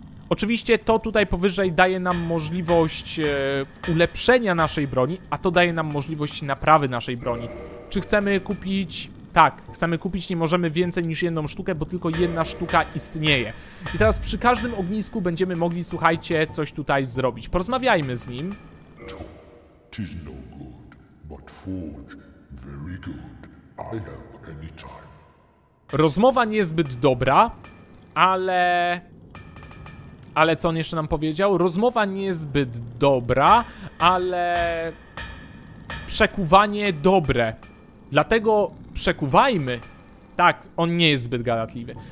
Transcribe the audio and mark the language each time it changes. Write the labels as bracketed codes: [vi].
[pl] Oczywiście to tutaj powyżej daje nam możliwość ulepszenia naszej broni, a to daje nam możliwość naprawy naszej broni. Czy chcemy kupić? Tak, chcemy kupić, nie możemy więcej niż jedną sztukę, bo tylko jedna sztuka istnieje. I teraz przy każdym ognisku będziemy mogli, słuchajcie, coś tutaj zrobić. Porozmawiajmy z nim. [en] Tis no good, but forge very good. I help anytime. [pl] Rozmowa niezbyt dobra, ale... Ale co on jeszcze nam powiedział? Rozmowa niezbyt dobra, ale przekuwanie dobre. Dlatego przekuwajmy. Tak, on nie jest zbyt gadatliwy.